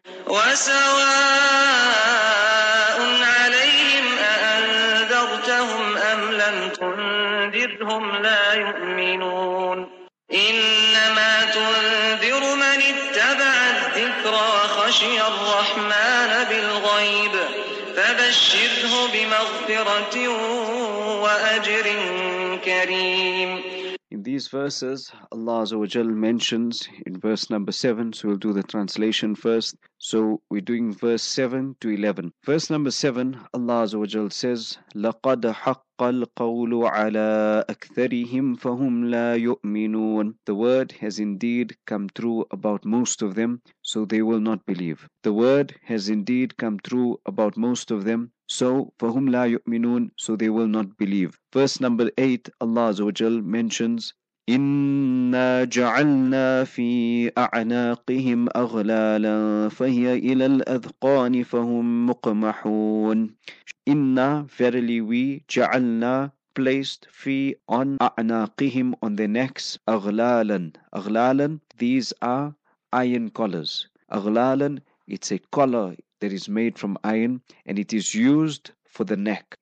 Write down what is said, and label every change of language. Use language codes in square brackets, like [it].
[ar] وسواء عليهم أأنذرتهم أم لم تنذرهم لا يؤمنون. إنما تنذر من اتبع الذكر وخشي الرحمن بالغيب فبشره بمغفرة وأجر كريم. [en] In these verses, Allah Azza wa Jal mentions in verse number 7, so we'll do the translation first. So we're doing verse 7 to 11. Verse number 7, Allah Azza wa Jal says, [ar] لَقَدْ حَقَّ الْقَوْلُ عَلَىٰ أَكْثَرِهِمْ فَهُمْ لَا يُؤْمِنُونَ. [en] The word has indeed come true about most of them, so they will not believe. The word has indeed come true about most of them, so [ar] فَهُمْ لَا يُؤْمِنُونَ, [en] so they will not believe. Verse number 8, Allah Azza wa Jal mentions, [ar] إِنَّا جَعَلْنَا فِي أَعْنَاقِهِمْ أَغْلَالًا فَهِيَ إِلَى الْأَذْقَانِ فَهُمْ مُقْمَحُونَ. [en] إِنَّا, verily we, جَعَلْنَا, placed fi on أَعْنَاقِهِمْ, on their necks, أَغْلَالًا. أَغْلَالًا, these are iron collars. أَغْلَالًا, it's a collar that is made from iron and it is used for the neck.